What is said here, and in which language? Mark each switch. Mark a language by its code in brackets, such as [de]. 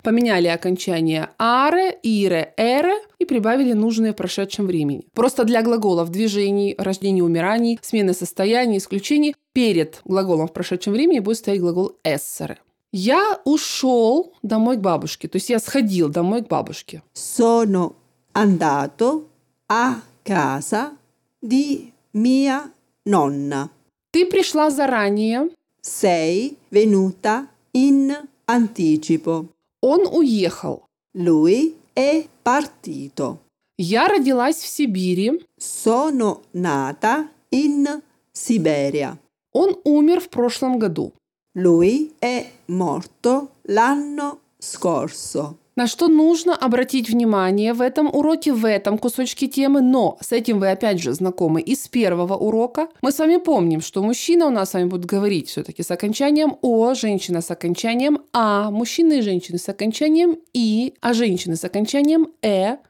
[ru] Поменяли окончание «are», «ire», «ere» и прибавили нужные в прошедшем времени. Просто для глаголов движений, рождений, умираний, смены состояний, исключений перед глаголом в прошедшем времени будет стоять глагол «essere». Я ушел домой к бабушке, то есть я сходил домой к бабушке. [it] Sono andato a casa di mia nonna. [ru] Ты пришла заранее. [it] Sei venuta in anticipo. [ru] Он уехал. [it] Lui è partito. [ru] Я родилась в Сибири. [it] Sono nata in Siberia. [ru] Он умер в прошлом году. [it] Lui è morto l'anno scorso. [ru] На что нужно обратить внимание в этом уроке, в этом кусочке темы, но с этим вы опять же знакомы из первого урока. Мы с вами помним, что мужчина у нас с вами будет говорить все-таки с окончанием «о», женщина с окончанием «а», мужчины и женщины с окончанием «и», а женщины с окончанием «э».